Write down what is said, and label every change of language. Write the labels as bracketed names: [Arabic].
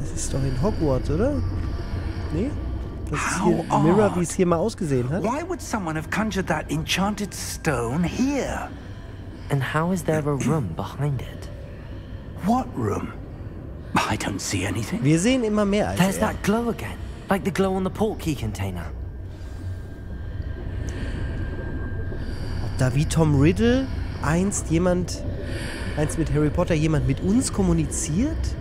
[German] Doch in Hogwarts, oder? Nee? Das ist hier ein Mirror, wie es hier mal ausgesehen hat. [English] Why would someone have conjured that enchanted stone here? And how is there a room behind it? What room? I don't see anything. [German] Wir sehen immer mehr als [English] There's that glow again, like the glow on the portkey container. [German] Ob da wie Tom Riddle einst mit Harry Potter jemand mit uns kommuniziert?